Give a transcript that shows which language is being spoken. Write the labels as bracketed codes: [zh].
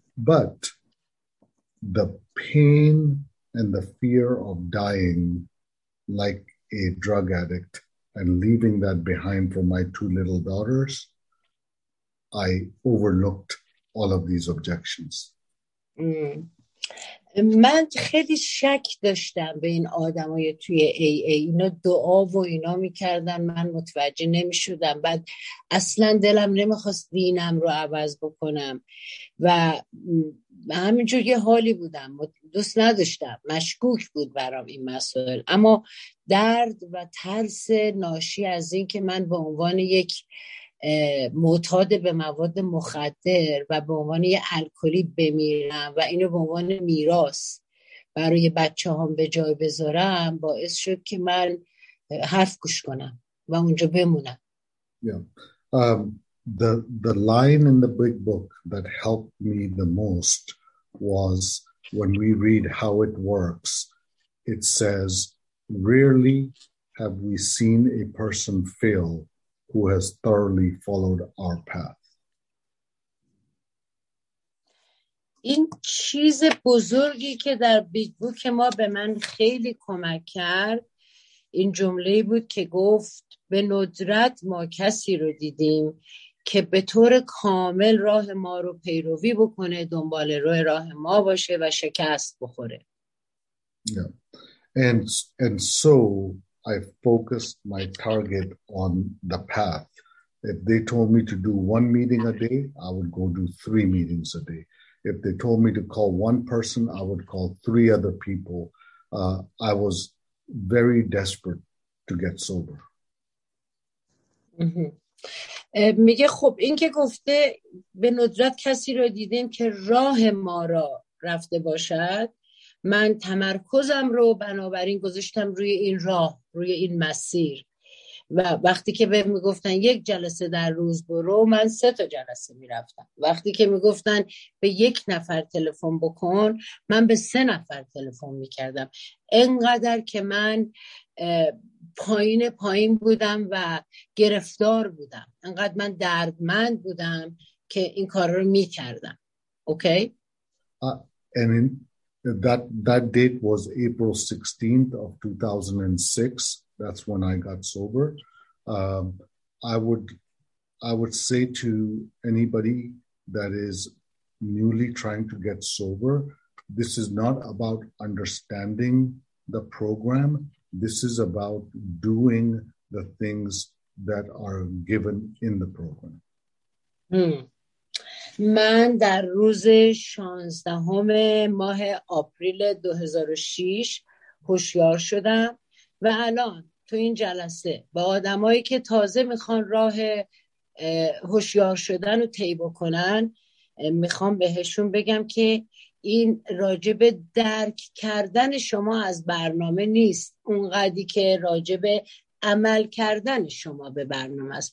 [en] But the pain and the fear of dying like a drug addict and leaving that behind for my two little daughters, I overlooked all of these objections. [fa] من خیلی شک داشتم به این آدمای توی AA. اینا دعا و اینا میکردن، من متوجه نمیشدم. بعد اصلا دلم نمیخواست دینم رو عوض بکنم و همینجور یه حالی بودم، دوست نداشتم، مشکوک بود برام این مسائل. اما درد و ترس ناشی از این که من به عنوان یک معتاد به مواد مخدر و به عنوان یه الکلی بمیرم و اینو به عنوان میراث برای بچه هم به جای بذارم باعث شد که من حرف گوش کنم و اونجا بمونم. [en] The line in the big book that helped me the most was when we read how it works. It says, rarely have we seen a person fail who has thoroughly followed our path. این چیز بزرگی که در big book ما به من خیلی کمک کرد این جمله بود که گفت به ندرت ما کسی رو دیدیم که به طور کامل راه ما رو پیروی بکنه، دنبال روی راه ما باشه و شکست بخوره. And so I focused my target on the path. If they told me to do one meeting a day, I would go do three meetings a day. If they told me to call one person, I would call three other people. I was very desperate to get sober. [fa] میگه خب این که گفته به ندرت کسی رو دیدیم که راه ما را رفته باشد، من تمرکزم رو بنابراین گذاشتم روی این راه، روی این مسیر. و وقتی که بهم میگفتن یک جلسه در روز برو، من سه تا جلسه میرفتم. وقتی که میگفتن به یک نفر تلفن بکن، من به سه نفر تلفن میکردم. انقدر که من پایین بودم و گرفتار بودم، انقدر من دردمند بودم که این کار رو میکردم. [en] Okay? [fa] امین. [en] That date was April 16th of 2006. That's when I got sober. I would say to anybody that is newly trying to get sober, This is not about understanding the program. This is about doing the things that are given in the program. [fa] من در روز 16 ماه آپریل 2006 هوشیار شدم و الان تو این جلسه با آدمایی که تازه میخوان راه هوشیار شدن رو طی بکنن میخوام بهشون بگم که این راجب درک کردن شما از برنامه نیست، اونقدی که راجب عمل کردن شما به برنامه است.